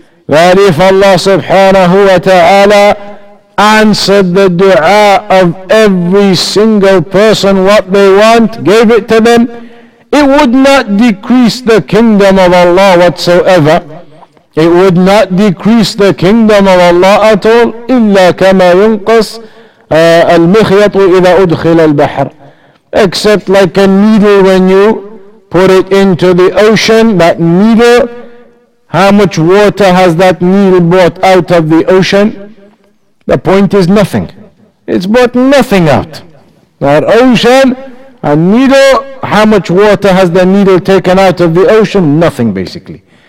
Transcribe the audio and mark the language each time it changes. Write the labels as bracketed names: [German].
[English] That if Allah subhanahu wa ta'ala answered the dua of every single person, what they want, gave it to them, it would not decrease the kingdom of Allah whatsoever. It would not decrease the kingdom of Allah at all. [Arabic] إلا كما ينقص المخيط إذا أدخل البحر. [English] Except like a needle when you put it into the ocean, that needle, how much water has that needle brought out of the ocean? The point is nothing. It's brought nothing out. That ocean, a needle, how much water has the needle taken out of the ocean? Nothing, basically.